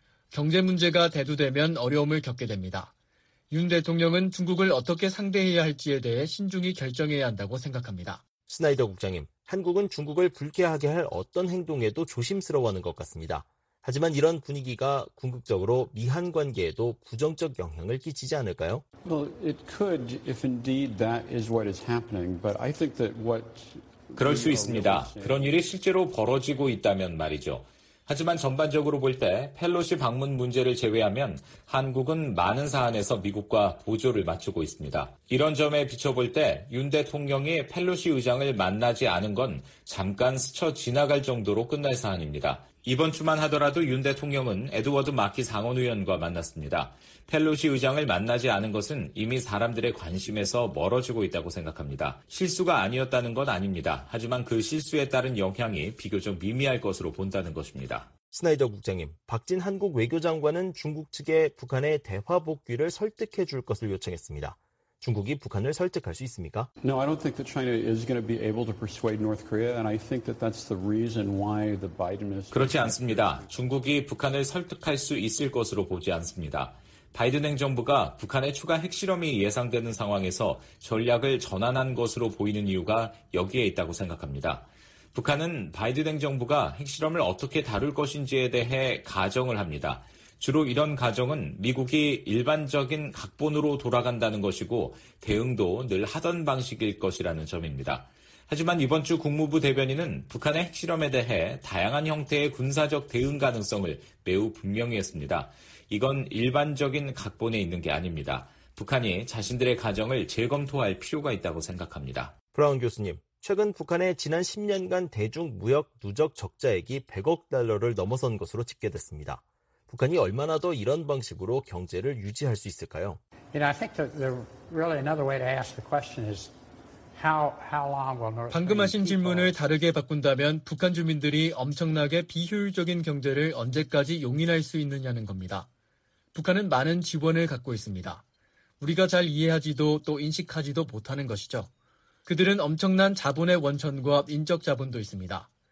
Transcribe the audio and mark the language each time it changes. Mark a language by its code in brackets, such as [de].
[ko] 경제 문제가 대두되면 어려움을 겪게 됩니다. 윤 대통령은 중국을 어떻게 상대해야 할지에 대해 신중히 결정해야 한다고 생각합니다. 스나이더 국장님, 한국은 중국을 불쾌하게 할 어떤 행동에도 조심스러워하는 것 같습니다. 하지만 이런 분위기가 궁극적으로 미한 관계에도 부정적 영향을 끼치지 않을까요? [en] Well, it could if indeed that is what is happening, but I think that what [ko] 그럴 수 있습니다. 그런 일이 실제로 벌어지고 있다면 말이죠. 하지만 전반적으로 볼 때 펠로시 방문 문제를 제외하면 한국은 많은 사안에서 미국과 보조를 맞추고 있습니다. 이런 점에 비춰볼 때 윤 대통령이 펠로시 의장을 만나지 않은 건 잠깐 스쳐 지나갈 정도로 끝날 사안입니다. 이번 주만 하더라도 윤 대통령은 에드워드 마키 상원의원과 만났습니다. 펠로시 의장을 만나지 않은 것은 이미 사람들의 관심에서 멀어지고 있다고 생각합니다. 실수가 아니었다는 건 아닙니다. 하지만 그 실수에 따른 영향이 비교적 미미할 것으로 본다는 것입니다. 스나이더 국장님, 박진 한국 외교장관은 중국 측에 북한의 대화 복귀를 설득해 줄 것을 요청했습니다. 중국이 북한을 설득할 수 있습니까? [en] No, I don't think that China is going to be able to persuade North Korea, and I think that that's the reason why the Biden administration. [ko] 그렇지 않습니다. 중국이 북한을 설득할 수 있을 것으로 보지 않습니다. 바이든 행정부가 북한의 추가 핵실험이 예상되는 상황에서 전략을 전환한 것으로 보이는 이유가 여기에 있다고 생각합니다. 북한은 바이든 행정부가 핵실험을 어떻게 다룰 것인지에 대해 가정을 합니다. 주로 이런 가정은 미국이 일반적인 각본으로 돌아간다는 것이고 대응도 늘 하던 방식일 것이라는 점입니다. 하지만 이번 주 국무부 대변인은 북한의 핵실험에 대해 다양한 형태의 군사적 대응 가능성을 매우 분명히 했습니다. 이건 일반적인 각본에 있는 게 아닙니다. 북한이 자신들의 가정을 재검토할 필요가 있다고 생각합니다. 브라운 교수님, 최근 북한의 지난 10년간 대중 무역 누적 적자액이 100억 달러를 넘어선 것으로 집계됐습니다. 북한이 얼마나 더 이런 방식으로 경제를 유지할 수 있을까요? [en] You know, I think that really another way to ask the question is how long will North [ko] 방금 하신 질문을 다르게 바꾼다면 북한 주민들이 엄청나게 비효율적인 경제를 언제까지 용인할 수 있느냐는 겁니다. 북한은 많은 지원을 갖고 있습니다. 우리가 잘 이해하지도 또 인식하지도 못하는 것이죠. 그들은 엄청난 자본의 원천과 인적 자본도 있습니다.